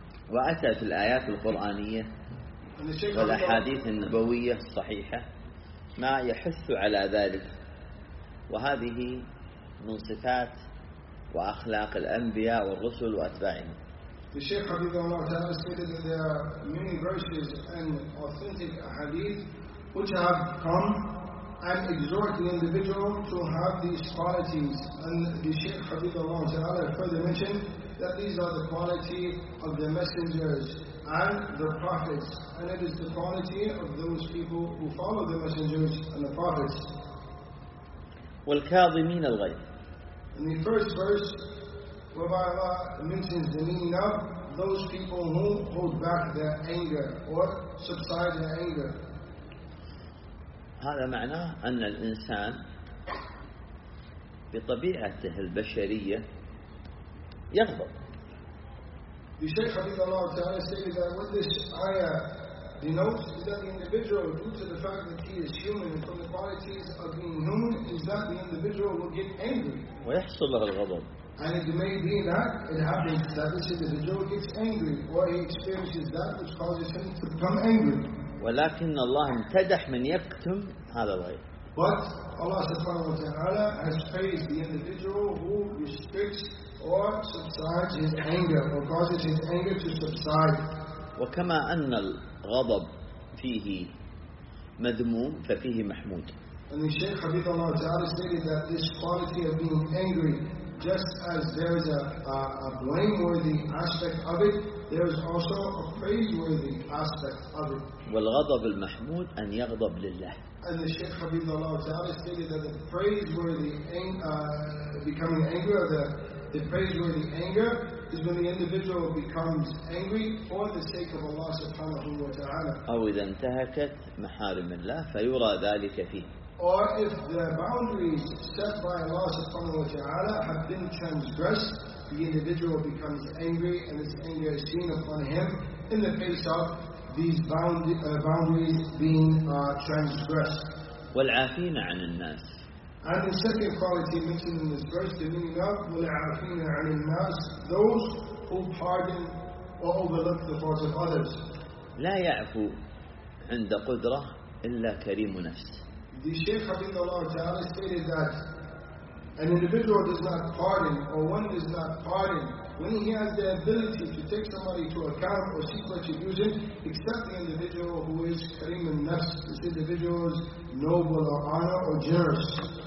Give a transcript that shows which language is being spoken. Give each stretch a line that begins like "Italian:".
Arabic: وأتت الآيات القرآنية والأحاديث النبوية الصحيحة ما يحث على ذلك، وهذه من صفات وأخلاق الأنبياء والرسل وأتباعهم.
English: The Shaykh Habibullah Allah Ta'ala stated that there are many verses and authentic hadith which have come and exhort the individual to have these qualities. And the Shaykh Habibullah Allah Ta'ala further mentioned that these are the quality of the messengers and the prophets, and it is the quality of those people who follow the messengers and the prophets.
Arabic: والكاظمين الغيظ.
English: In the first verse, whereby Allah mentions the meaning of those people who hold back their anger or subside their anger.
Arabic: هذا معناه أن الإنسان بطبيعته البشرية يغضب.
English: The Shaykh Habibullah Allah Ta'ala stated that what this ayah denotes is that the individual, due to the fact that he is human and from the qualities of being human, is that the individual will get angry.
Arabic: ويحصل له الغضب.
English: And it may be that it happens that this individual gets angry, or he experiences that which causes him to become angry.
Arabic: ولكن الله امتدح من يكتم هذا الغيظ.
English: But Allah Subhanahu wa Taala has praised the individual who restricts or subsides his anger, or causes his anger to subside.
Arabic: وكما أن الغضب فيه مذموم ففيه محمود.
English: And the Shaykh Habib Allah Taala stated that this quality of being angry, just as there is a blameworthy aspect of it, there is also a praiseworthy aspect of it.
Arabic: والغضب المحمود أن يغضب لله.
English: And the Shaykh Habib Allah Taala stated that the praiseworthy becoming angry, or the praiseworthy anger, is when the individual becomes angry for the sake of Allah Subhanahu wa Taala.
Arabic: أو إذا انتهكت محارم الله فيرى ذلك فيه.
English: Or if the boundaries set by Allah Subhanahu wa Taala have been transgressed, the individual becomes angry, and his anger is seen upon him in the face of these boundaries being transgressed.
Arabic: والعافين عن الناس.
English: And the second quality mentioned in this verse, the meaning of
Arabic: والعافين عن الناس,
English: those who pardon or overlook the faults of others.
Arabic: لا يعفو عند قدرة إلا كريم نفس.
English: The Shaykh Habibullah Ta'ala stated that an individual does not pardon, or one does not pardon, when he has the ability to take somebody to account or seek retribution, except the individual who is kareem al-nafs, this individual is noble or honor or generous.